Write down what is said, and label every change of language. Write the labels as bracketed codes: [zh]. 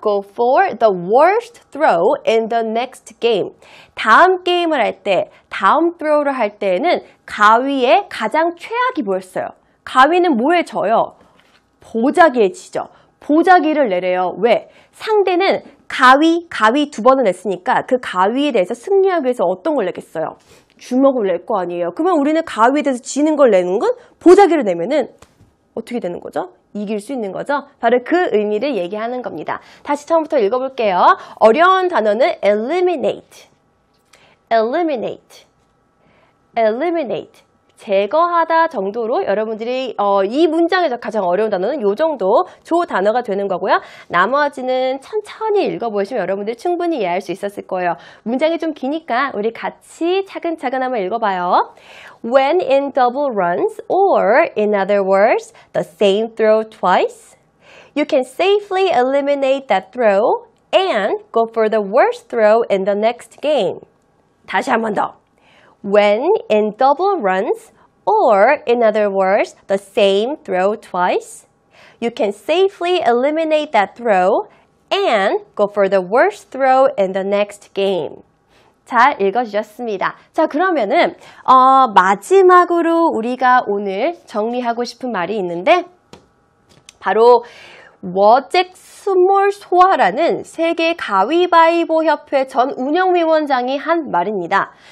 [en] Go for the worst throw in the next game. [ko] 다음 게임을 할 때, 다음 throw를 할 때에는 가위의 가장 최악이 뭐였어요? 가위는 뭐에 져요? 보자기에 지죠. 보자기를 내래요. 왜? 상대는 가위 두 번을 냈으니까 그 가위에 대해서 승리하기 위해서 어떤 걸 내겠어요? 주먹을 낼 거 아니에요. 그러면 우리는 가위에 대해서 지는 걸 내는 건 보자기를 내면은 어떻게 되는 거죠? 이길 수 있는 거죠? 바로 그 의미를 얘기하는 겁니다. 다시 처음부터 읽어볼게요. 어려운 단어는 eliminate. eliminate. eliminate. 제거하다 정도로 여러분들이 이 문장에서 가장 어려운 단어는 요 정도 조 단어가 되는 거고요. 나머지는 천천히 읽어보시면 여러분들 충분히 이해할 수 있었을 거예요. 문장이 좀 기니까 우리 같이 차근차근 한번 읽어봐요. [en] When in double runs or in other words, the same throw twice, you can safely eliminate that throw and go for the worst throw in the next game. [ko] 다시 한번 더. [en] When in double runs, or in other words, the same throw twice, you can safely eliminate that throw and go for the worst throw in the next game. [ko] 잘 읽어주셨습니다. 자, 그러면은 마지막으로 우리가 오늘 정리하고 싶은 말이 있는데 바로 워잭 스몰 소아라는 세계 가위바위보 협회 전 운영위원장이 한 말입니다.